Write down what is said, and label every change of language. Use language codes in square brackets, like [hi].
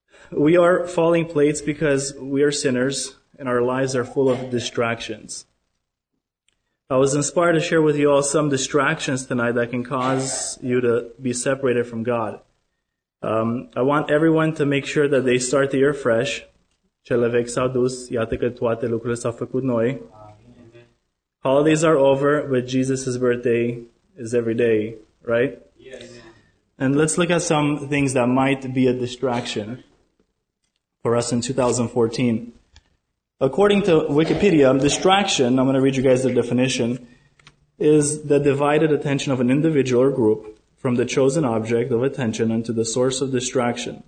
[en] We are falling plates because we are sinners and our lives are full of distractions. I was inspired to share with you all some distractions tonight that can cause you to be separated from God. I want everyone to make sure that they start the year fresh. [ro] Cele vechi s-au dus, iată că toate lucrurile s-au făcut noi. [en] Holidays are over, but Jesus' birthday is every day, right? Yes. And let's look at some things that might be a distraction for us in 2014. According to Wikipedia, distraction, I'm going to read you guys the definition, is the divided attention of an individual or group from the chosen object of attention unto the source of distraction.